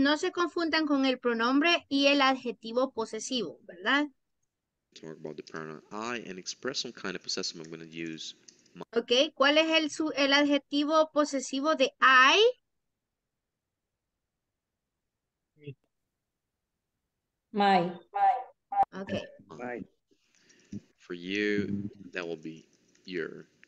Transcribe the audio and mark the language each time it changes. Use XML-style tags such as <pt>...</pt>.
<es>no se confundan con el pronombre y el adjetivo posesivo, ¿verdad?</es> <en>Talk about the pronoun I and express some kind of possessive. I'm going to use my.</en> <es>Okay, ¿cuál es el adjetivo posesivo de I?</es> <en>My. Okay. My. For you, that will be your.</en>